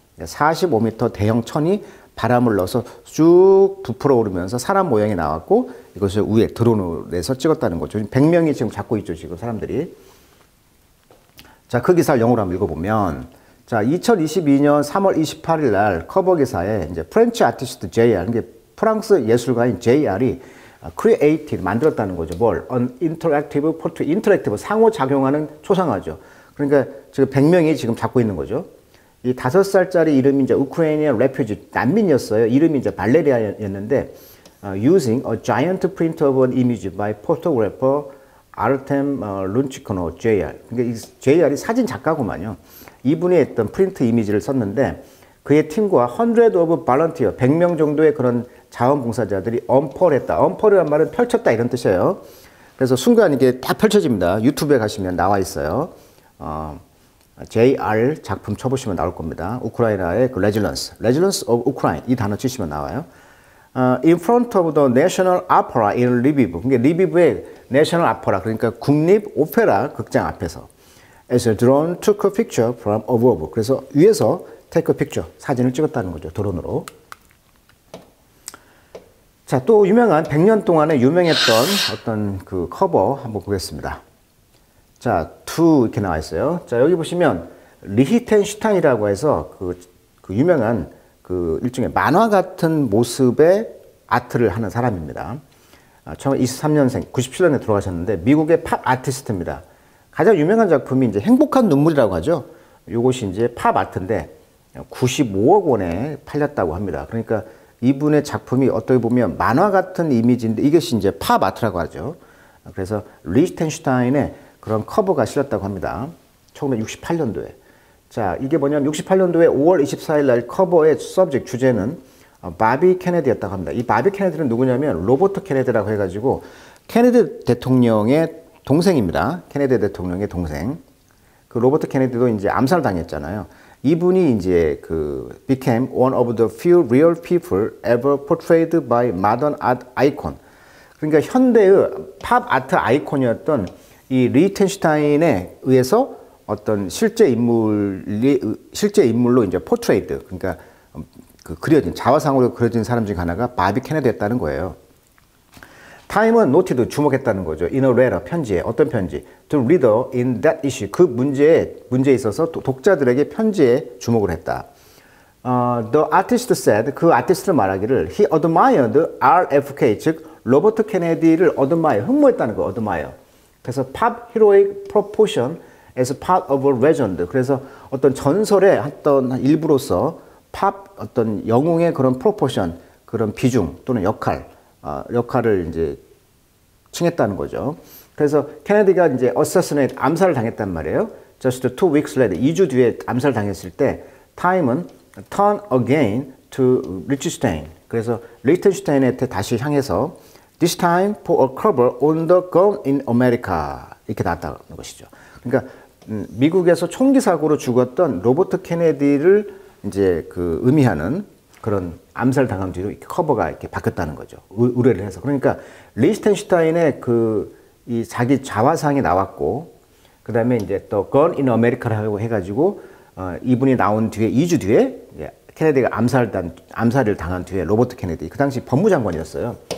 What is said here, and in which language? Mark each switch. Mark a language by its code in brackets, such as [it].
[ko] 45m 대형 천이 바람을 넣어서 쭉 부풀어 오르면서 사람 모양이 나왔고 이것을 위에 드론으로 내서 찍었다는 거죠. 100명이 지금 잡고 있죠, 지금 사람들이. 자, 그 기사를 영어로 한번 읽어보면, 자, 2022년 3월 28일 날 커버 기사에 이제 프렌치 아티스트 JR, 이게 프랑스 예술가인 JR이 크리에이티브 만들었다는 거죠. 뭘? [en] An interactive portrait, interactive, [ko] 상호작용하는 초상화죠. 그러니까 지금 100명이 지금 잡고 있는 거죠. 이 5살짜리 이름이 이제 우크라이나 레퓨지 난민이었어요. 이름이 이제 발레리아였는데, [en] using a giant print of an image by photographer Artem Lunchkino, JR. [ko] 그러니까 이 JR이 사진 작가구만요. 이분이 했던 프린트 이미지를 썼는데, 그의 팀과 [en] 100 of volunteer, [ko] 100명 정도의 그런 자원봉사자들이 언펄했다. 언펄이란 말은 펼쳤다 이런 뜻이에요. 그래서 순간 이게 다 펼쳐집니다. 유튜브에 가시면 나와 있어요. JR 작품 쳐보시면 나올 겁니다. 우크라이나의 그 [en] Resilience of Ukraine [ko] 이 단어 치시면 나와요. [en] In front of the National Opera in Lviv, [ko] 그러니까 리비브의 National Opera, 그러니까 국립 오페라 극장 앞에서 [en] As a drone took a picture from above, [ko] 그래서 위에서 [en] take a picture, [ko] 사진을 찍었다는 거죠, 드론으로. 자, 또 유명한 100년 동안에 유명했던 어떤 그 커버 한번 보겠습니다. 자, 2 이렇게 나와 있어요. 자, 여기 보시면 리히텐슈타인이라고 해서 그 유명한 그 일종의 만화 같은 모습의 아트를 하는 사람입니다. 1923년생, 97년에 돌아가셨는데 미국의 팝 아티스트입니다. 가장 유명한 작품이 이제 행복한 눈물이라고 하죠. 이것이 이제 팝 아트인데 95억 원에 팔렸다고 합니다. 그러니까 이분의 작품이 어떻게 보면 만화 같은 이미지인데 이것이 이제 팝 아트라고 하죠. 그래서 리히텐슈타인의 그런 커버가 실렸다고 합니다. 1968년도에. 자, 이게 뭐냐면 68년도에 5월 24일 날 커버의 서브젝트 주제는 바비 케네디였다고 합니다. 이 바비 케네디는 누구냐면 로버트 케네디라고 해가지고 케네디 대통령의 동생입니다. 케네디 대통령의 동생. 그 로버트 케네디도 이제 암살 당했잖아요. 이분이 이제 그 [en] became one of the few real people ever portrayed by modern art icon. [ko] 그러니까 현대의 팝 아트 아이콘이었던 이 리히텐슈타인에 의해서 어떤 실제 인물로 이제 포트레이드, 그러니까 그 그려진 자화상으로 그려진 사람 중 하나가 바비 케네디였다는 거예요. 타임은 노티도 주목했다는 거죠. [en] In a letter, [ko] 편지에 어떤 편지? [en] To reader in that issue, [ko] 그 문제에 있어서 독자들에게 편지에 주목을 했다. [en] The artist said, [ko] 그 아티스트는 말하기를 [en] he admired RFK, [ko] 즉 로버트 케네디를 admire, 흠모했다는 거, admire. 그래서 팝 히로익 프로포션 as part of a legend. 그래서 어떤 전설의 어떤 일부로서 팝 어떤 영웅의 그런 프로포션, 그런 비중 또는 역할을 이제 칭했다는 거죠. 그래서 케네디가 이제 assassinate, 암살을 당했단 말이에요. [en] Just 2 weeks later, [ko] 2주 뒤에 암살 당했을 때 타임은 [en] turn again to Liechtenstein. [ko] 그래서 리히텐슈타인한테 다시 향해서 [en] This time for a cover on the gun in America. [ko] 이렇게 나왔다는 것이죠. 그러니까, 미국에서 총기 사고로 죽었던 로버트 케네디를 이제 그 의미하는 그런 암살 당한 뒤로 이렇게 커버가 이렇게 바뀌었다는 거죠. 의뢰를 해서. 그러니까, 리히텐슈타인의 그 이 자기 자화상이 나왔고, 그 다음에 이제 또 [en] gun in America [ko] 라고 해가지고, 이분이 나온 뒤에, 2주 뒤에, 예, 케네디가 암살을 당한 뒤에 로버트 케네디, 그 당시 법무장관이었어요.